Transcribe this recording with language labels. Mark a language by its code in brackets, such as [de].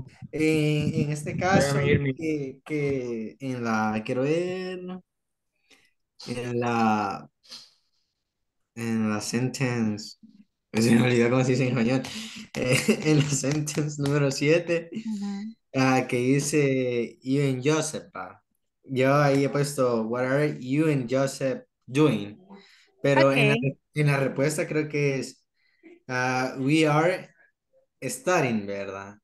[es] En este caso, que en la, quiero ver, en la sentence, es en realidad como se dice en español, en la sentence número 7, uh-huh. Que dice, [en] you and Joseph, [es] yo ahí he puesto, [en] what are you and Joseph doing? [es] Pero okay. en la respuesta creo que es, [en] we are studying, [es] ¿verdad?